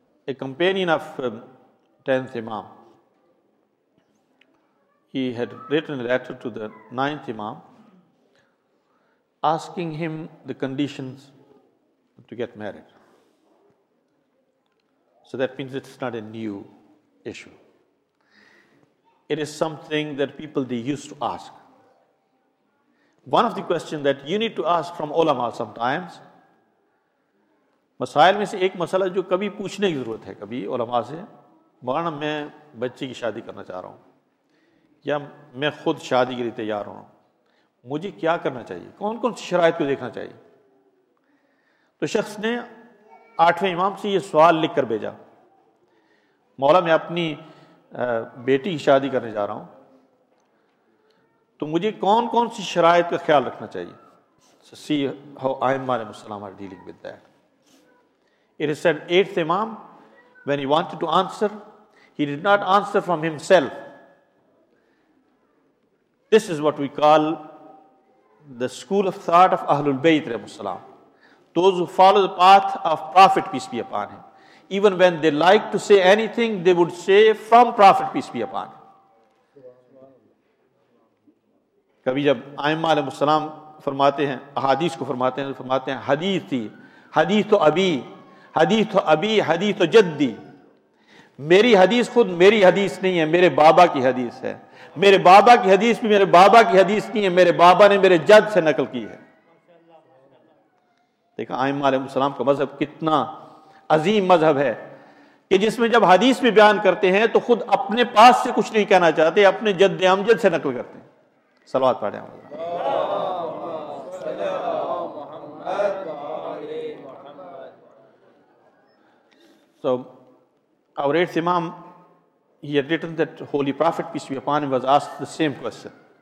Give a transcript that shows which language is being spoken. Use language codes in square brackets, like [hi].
[en] A companion of 10th Imam, he had written a letter to the 9th Imam asking him the conditions to get married. So that means it's not a new issue. It is something that people, they used to ask. One of the questions that you need to ask from ulama sometimes, [ur] مسائل میں سے ایک مسئلہ جو کبھی پوچھنے کی ضرورت ہے کبھی علماء سے, مولانا میں بچے کی شادی کرنا چاہ رہا ہوں یا میں خود شادی کے لیے تیار ہوں, مجھے کیا کرنا چاہیے, کون کون سی شرائط کو دیکھنا چاہیے؟ تو شخص نے آٹھویں امام سے یہ سوال لکھ کر بھیجا, مولا میں اپنی بیٹی کی شادی کرنے جا رہا ہوں تو مجھے کون کون سی شرائط کا خیال رکھنا چاہیے؟ [en] See how آئمہ علیہ السلام are dealing with that. It is said, eighth Imam, when he wanted to answer, he did not answer from himself. This is what we call the school of thought of Ahlul Bayt, Ramussalam. Those who follow the path of Prophet, peace be upon him. Even when they like to say anything, they would say from Prophet, peace be upon him. [ur] Kabhi jab Aimma alayhi salam farmate hain, ahadith ko farmate hain, hadithi, hadith to abhi, حدیث تو ابھی, حدیث تو جدی, میری حدیث خود میری حدیث نہیں ہے, میرے بابا کی حدیث ہے, میرے بابا کی حدیث بھی میرے بابا کی حدیث نہیں ہے, میرے بابا نے میرے جد سے نقل کی ہے. دیکھا آئمہ علیہ السلام کا مذہب کتنا عظیم مذہب ہے کہ جس میں جب حدیث بھی بیان کرتے ہیں تو خود اپنے پاس سے کچھ نہیں کہنا چاہتے, اپنے جد امجد سے نقل کرتے ہیں. صلوات پڑھیں اللہ [en] So, our eighth Imam, he had written that Holy Prophet, peace be upon him, was asked the same question.